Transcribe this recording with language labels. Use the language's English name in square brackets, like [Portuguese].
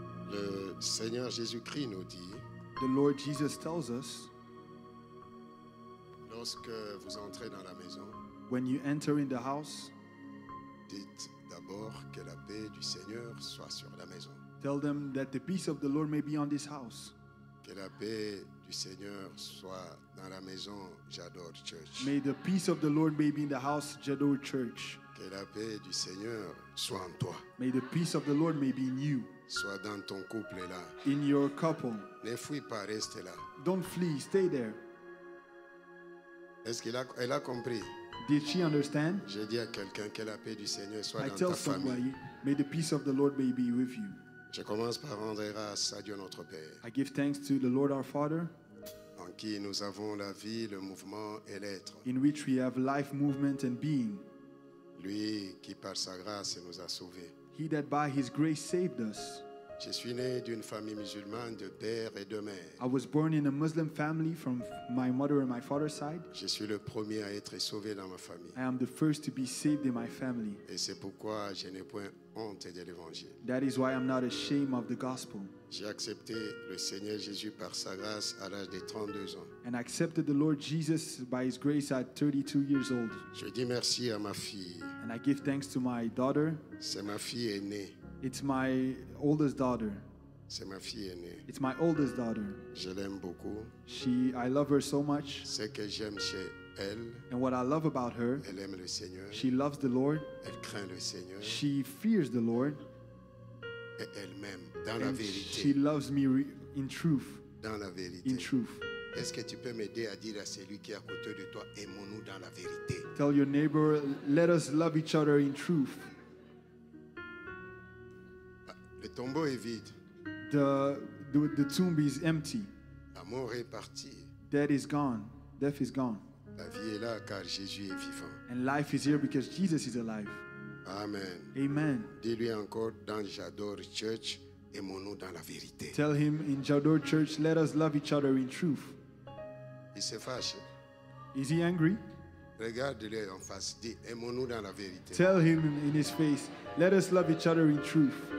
[French] Le Seigneur Jésus-Christ nous dit, [English] the Lord Jesus tells us, [French] lorsque vous entrez dans la maison, [English] when you enter in the house, [French] dites d'abord que la paix du Seigneur soit sur la maison. [English] Tell them that the peace of the Lord may be on this house. [French] Que la paix du Seigneur soit dans la maison J'adore Church. [English] May the peace of the Lord may be in the house J'adore Church. [French] Que la paix du Seigneur soit en toi. [English] May the peace of the Lord may be in you. [French] Sois dans ton couple là. [English] In your couple. [French] Ne fuis pas, reste là. [English] Don't flee, stay there. [French] Est-ce qu'elle a, elle a compris? [English] Did she understand? [French] Je dis à quelqu'un que la paix du Seigneur soit dans ta famille. [English] I tell somebody, may the peace of the Lord may be with you. [French] Je commence par rendre grâce à Dieu notre Père. [English] I give thanks to the Lord our Father. [French] En qui nous avons la vie, le mouvement et l'être. [English] In which we have life, movement and being. [French] Lui qui par sa grâce nous a sauvés. [English] He that by his grace saved us. [French] Je suis né d'une famille musulmane de père et de mère. [English] I was born in a Muslim family from my mother and my father's side. [French] Je suis le premier à être sauvé dans ma famille. [English] I am the first to be saved in my family. [French] Et c'est pourquoi je n'ai point honte de l'évangile. [English] That is why I'm not ashamed of the gospel. [French] J'ai accepté le Seigneur Jésus par sa grâce à l'âge de 32 ans. [English] And I accepted the Lord Jesus by his grace at 32 years old. [French] Je dis merci à ma fille. [English] And I give thanks to my daughter. [French] C'est ma fille aînée. [English] It's my oldest daughter. [French] C'est ma fille aînée. [English] It's my oldest daughter. [French] Je l'aime beaucoup. [English] She, I love her so much. [French] Ce que j'aime chez elle, [English] and what I love about her, [French] elle aime le Seigneur. [English] She loves the Lord. [French] Elle craint le Seigneur. [English] She fears the Lord. [French] Et elle-même, dans la vérité. [English] She loves me in truth. [French] Dans la vérité. [English] In truth. [French] Est-ce que tu peux m'aider à dire à celui qui est à côté de toi, aimons-nous dans la vérité? [English] Tell your neighbor, let us love each other in truth. [French] Le tombeau est vide. [English] The tomb is empty. [French] La mort est partie. [English] Death is gone. Death is gone. [French] La vie est là car Jésus est vivant. [English] And life is here because Jesus is alive. [French] Amen. [English] Amen. [French] Dis-lui encore dans J'adore Church, aimons-nous dans la vérité. [English] Tell him in J'adore Church, let us love each other in truth. [French] Il se fâche. [English] Is he angry? [French] Regarde-le en face. Dis, aimons-nous dans la vérité. [English] Tell him in his face, let us love each other in truth.